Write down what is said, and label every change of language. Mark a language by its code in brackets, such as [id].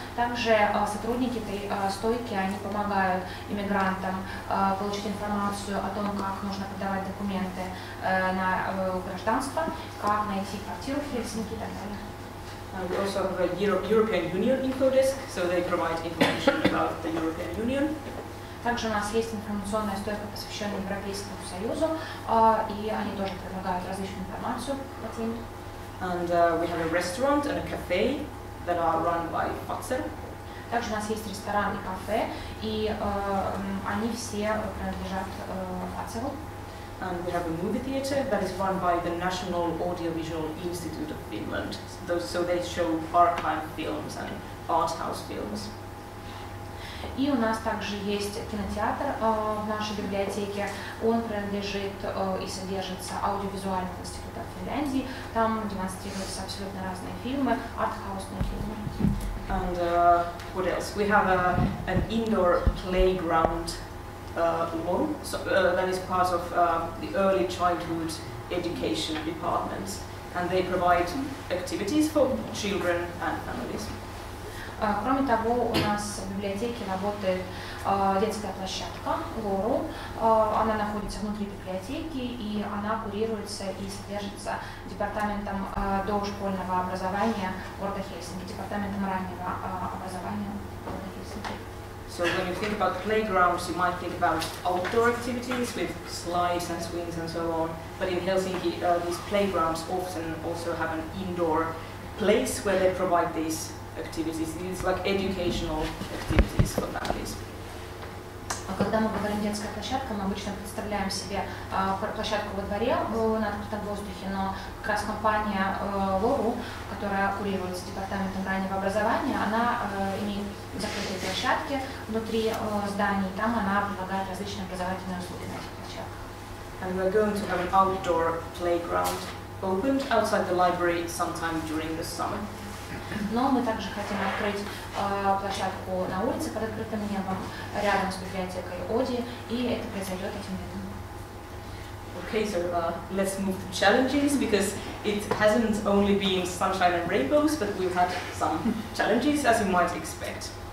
[ru] Также сотрудники этой стойки, они помогают иммигрантам получить информацию о том, как нужно подавать документы на гражданство, как найти квартиру в Хельсинки и так далее. [en] We also have a European Union info desk, so they provide information about the European Union. [ru] Также у нас есть информационная стойка, посвященная Европейскому Союзу, и они тоже предлагают различную информацию по теме. [en] And we have a restaurant and a cafe that are run by Fatser. [ru] Также у нас есть ресторан и кафе, и они все принадлежат Fatser. [en] And we have a movie theater that is run by the National Audiovisual Institute of Finland. So they show archive films and art house films. [ru] И у нас также есть кинотеатр в нашей библиотеке. Он принадлежит и содержится аудиовизуальным институтом Финляндии. Там демонстрируются абсолютно разные фильмы, арт-хаусные фильмы. [en] And what else? We have an indoor playground lawn, so, that is part of the early childhood education department. and they provide activities for children and families. [ru] Кроме того, у нас в библиотеке работает детская площадка Лору. Она находится внутри библиотеки, и она курируется и содержится департаментом дошкольного образования города Хельсинки, департаментом раннего образования города Хельсинки. [en] So when you think about playgrounds, you might think about outdoor activities with slides and swings and so on. But in Helsinki, these playgrounds often also have an indoor place where they provide these activities. It's like educational activities for families. [ru] Когда мы говорим детская площадка, мы обычно представляем себе площадку во дворе на открытом воздухе, но как раз компания Лору, которая курируется департаментом раннего образования, она имеет закрытые площадки внутри зданий, и там она предлагает различные образовательные услуги на этих площадках. [en] And we're going to have an outdoor playground opened outside the library sometime during the summer. [ru] Но мы также хотим открыть площадку на улице под открытым небом, рядом с библиотекой Oodi, и это произойдет этим летом. [en] Okay, so let's move to challenges, because it hasn't only been sunshine and rainbows, but we've had some challenges, as you might expect.